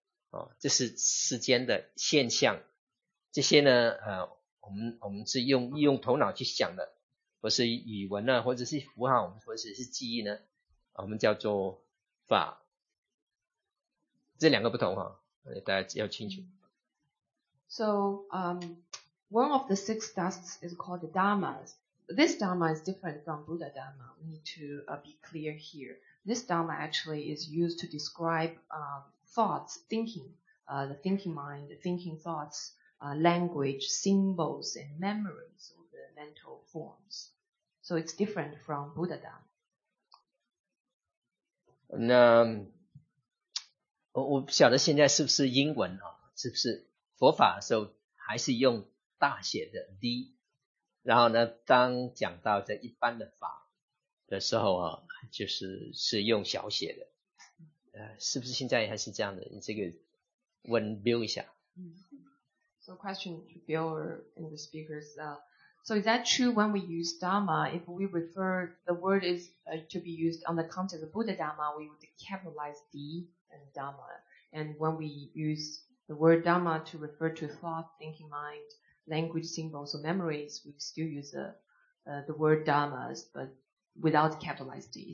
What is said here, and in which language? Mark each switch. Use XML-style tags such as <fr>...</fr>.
<zh>哦，这是世间的现象。这些呢，我们是用头脑去想的，或是语文啊，或者是符号，或者是记忆呢，我们叫做法。这两个不同哈，大家要清楚。</zh> <en>So, one of the six dusts is called the dharmas. This dharma is different from Buddha dharma. We need to be clear here. This dharma actually is used to describe thoughts, thinking, the thinking mind, the thinking thoughts. Language, symbols, and memories of the mental forms. So it's different from Buddha Dharma.</en> <zh>那我不晓得现在是不是英文啊？是不是佛法的时候还是用大写的 D？然后呢，当讲到这一般的法的时候啊，就是用小写的。是不是现在还是这样的？你这个问 Bill 一下。</zh> <en>So question to Bill or in the speakers, so is that true when we use Dharma, if we refer, the word is to be used on the context of Buddha Dharma, we would capitalize D and Dharma. And when we use the word Dharma to refer to thought, thinking mind, language, symbols, or memories, we still use the word Dharmas, but without capitalized D.</en>